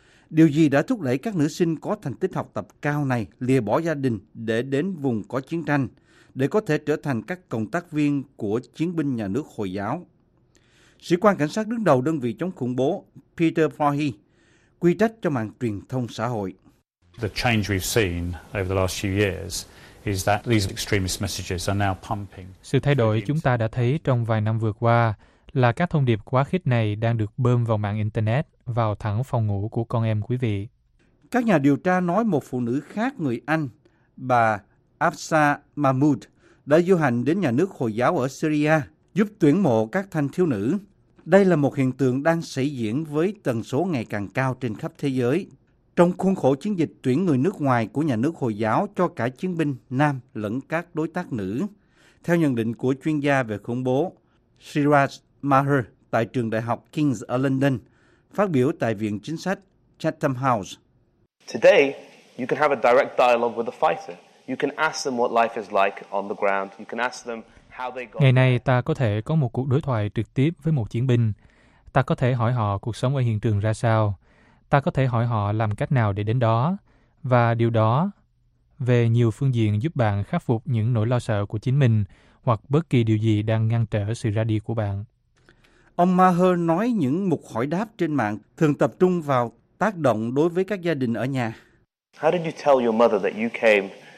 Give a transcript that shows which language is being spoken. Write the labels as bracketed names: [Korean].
[Vietnamese] Điều gì đã thúc đẩy các nữ sinh có thành tích học tập cao này lìa bỏ gia đình để đến vùng có chiến tranh, để có thể trở thành các cộng tác viên của chiến binh nhà nước Hồi giáo? Sĩ quan cảnh sát đứng đầu đơn vị chống khủng bố Peter Fahy quy trách cho mạng truyền thông xã hội. [English] The change we've seen over the last few years is that these extremist messages are now pumping. [Vietnamese] Sự thay đổi chúng ta đã thấy trong vài năm vừa qua là các thông điệp quá khích này đang được bơm vào mạng Internet, vào thẳng phòng ngủ của con em quý vị. Các nhà điều tra nói một phụ nữ khác người Anh, bà Afsa Mahmoud, đã du hành đến nhà nước Hồi giáo ở Syria giúp tuyển mộ các thanh thiếu nữ. Đây là một hiện tượng đang xảy diễn với tần số ngày càng cao trên khắp thế giới, trong khuôn khổ chiến dịch tuyển người nước ngoài của nhà nước Hồi giáo cho cả chiến binh nam lẫn các đối tác nữ. Theo nhận định của chuyên gia về khủng bố Siraj Maher tại trường đại học King's ở London, phát biểu tại Viện Chính sách Chatham House. [English] Today, you can have a direct dialogue with a fighter. You can ask them what life is like on the ground. You can ask them how they got. [Vietnamese] Ngày nay ta có thể có một cuộc đối thoại trực tiếp với một chiến binh. Ta có thể hỏi họ cuộc sống ở hiện trường ra sao. Ta có thể hỏi họ làm cách nào để đến đó. Và điều đó về nhiều phương diện giúp bạn khắc phục những nỗi lo sợ của chính mình hoặc bất kỳ điều gì đang ngăn trở sự ra đi của bạn. Ông Maher nói những mục hỏi đáp trên mạng thường tập trung vào tác động đối với các gia đình ở nhà. [English] How did you tell your mother that you came?